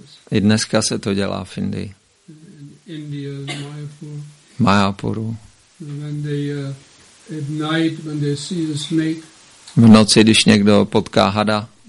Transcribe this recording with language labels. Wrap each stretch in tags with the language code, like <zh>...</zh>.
<cs>I dneska se to dělá v Indii.</cs> <en>India, Mayapur.</en> <cs>Mayapuru.</cs> <en>When they, at night, when they see a snake,</en> <cs>v noci, když někdo potká hada,</cs>